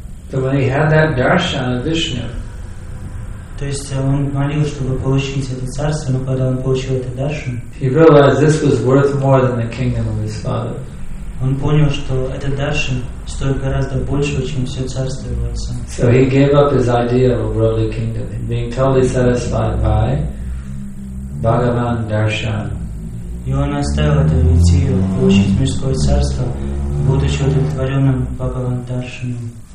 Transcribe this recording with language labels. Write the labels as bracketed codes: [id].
[en] So when he had that darshan of Vishnu, [ru] то есть он молил, чтобы получить это царство, но когда он получил это даршан, [en] he realized this was worth more than the kingdom of his father. [ru] Он понял, что этот даршан стоит гораздо больше, чем все царство его отца. [en] So he gave up his idea of a worldly kingdom, being totally satisfied by Bhagavan darshan. [ru] И он оставил это идею получить мирское царство, будучи удовлетворенным Бхагаван даршаном.